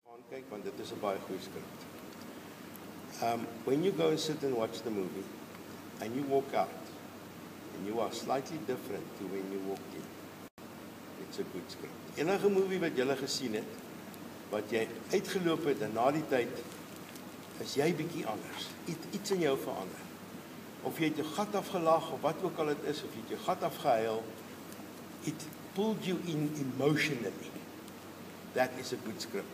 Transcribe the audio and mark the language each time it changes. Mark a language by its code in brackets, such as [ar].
[af] Kyk, want dit is 'n baie goeie skrif. [en] When you go and sit and watch the movie and you walk out and you are slightly different to when you walked in, it's a good script. [af] Enige movie wat jy al gesien het, wat jy uitgeloop het en na die tyd is jy bietjie anders. Iets in jou verander. Of jy het jou gat afgelag of wat ook al dit is, of jy het jou gat afgehuil, [en] it pulled you in emotionally. That is a good script.